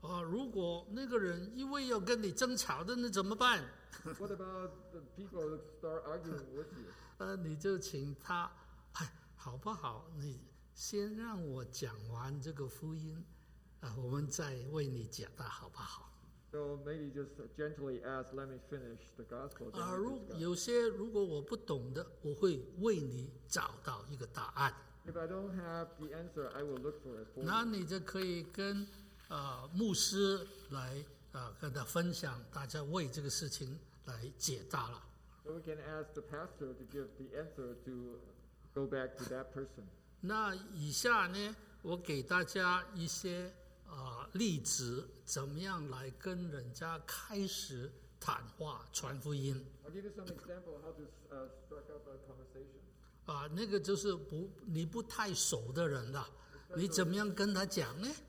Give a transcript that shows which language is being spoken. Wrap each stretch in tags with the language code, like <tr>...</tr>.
<zh>如果那个人因为要跟你争吵的，那怎么办？</zh> <en>What about the people that start arguing with you?</en> <zh>你就请他，哎，好不好？你先让我讲完这个福音，我们再为你解答，好不好</zh> <en>？So maybe just gently ask, let me finish the gospel.</en> <zh>有些如果我不懂的，我会为你找到一个答案。</zh> <en>If I don't have the answer, I will look for it.</en> <zh>那你就可以跟牧师来跟他分享，大家为这个事情来解答了。</zh> <en>So we can ask the pastor to give the answer to go back to that person.</en> <zh>那以下呢，我给大家一些例子，怎么样来跟人家开始谈话传福音。</zh> <en>I'll give you some example how to strike up a conversation.</en> <zh>那个就是你不太熟的人了，你怎么样跟他讲呢？</zh>